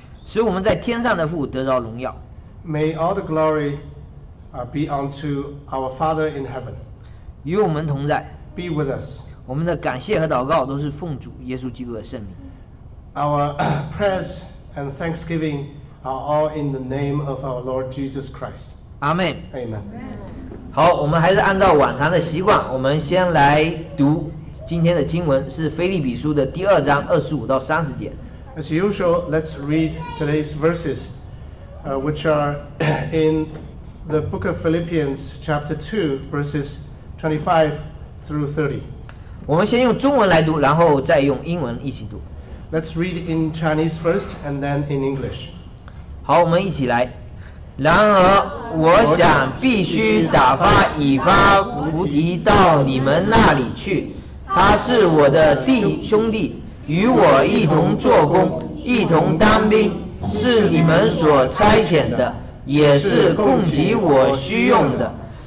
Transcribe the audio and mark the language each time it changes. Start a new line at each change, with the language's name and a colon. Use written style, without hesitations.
Chinese: 使我们在天上的父得着荣耀。
English: May all the glory be unto our Father in heaven.
Chinese: 与我们同在。
English: Be with us.
Chinese: 我们的感谢和祷告都是奉主耶稣基督的圣名。
English: Our prayers and thanksgiving are all in the name of our Lord Jesus Christ. Amen. Amen.
Chinese: 好，我们还是按照往常的习惯，我们先来读。今天的经文是腓立比书的第二章二十五到三十节。
English: As usual, let's read today's verses, which are in the book of Philippians, chapter 2, verses 25 through 30.
Chinese: 我们先用中文来读，然后再用英文一起读。
English: Let's read in Chinese first and then in English.
Chinese: 好，我们一起来。然而我想必须打发以发弗提到你们那里去，他是我的弟兄弟，与我一同做工，一同当兵，是你们所差遣的，也是供给我需用的。